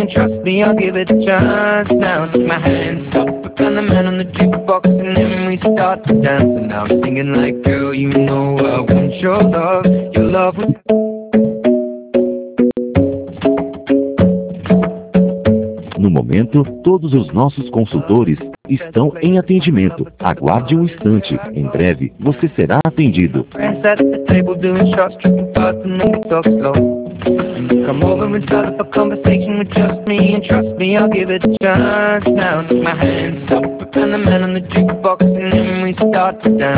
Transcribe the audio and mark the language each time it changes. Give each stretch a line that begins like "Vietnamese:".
English: And trust me, I'll give it a chance. Now I take my hand and stop, put down the man on the jukebox, and then we start to dance. And now I'm singing like, girl, you know I want your love was.
Portuguese: No momento, todos os nossos consultores estão em atendimento. Aguarde um instante. Em breve, você será atendido.
English: Come over and start up a conversation with just me. And trust me, I'll give it a chance. Now I take my hand and stop, put down the man on the jukebox, and then we start to dance.